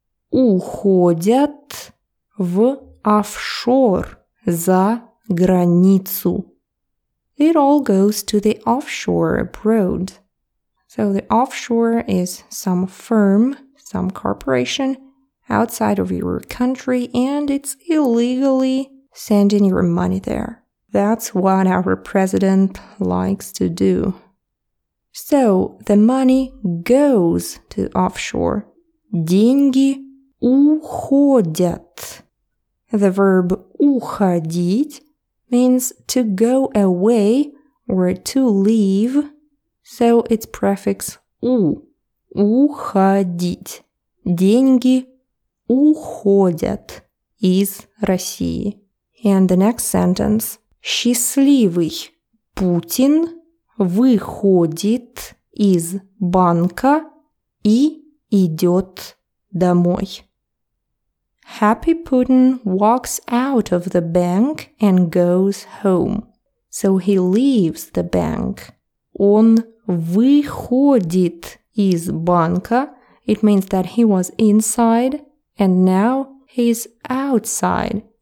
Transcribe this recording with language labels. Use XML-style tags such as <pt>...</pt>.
<ru>уходят в офшор, за границу.</ru> <en>It all goes to the offshore abroad. So the offshore is some firm, some corporation outside of your country, and it's illegally sending your money there. That's what our president likes to do. So the money goes to offshore.</en> <ru>Деньги уходят.</ru> <en>The verb уходить means to go away or to leave. So its prefix</en> <ru>у. Уходить. Деньги уходят из России.</ru> <en>And the next sentence.</en> <ru>Счастливый Путин выходит из банка и идет домой.</ru> <en>Happy Putin walks out of the bank and goes home. So he leaves the bank.</en> <ru>Он выходит из банка.</ru> <en>It means that he was inside and now he's outside.</en>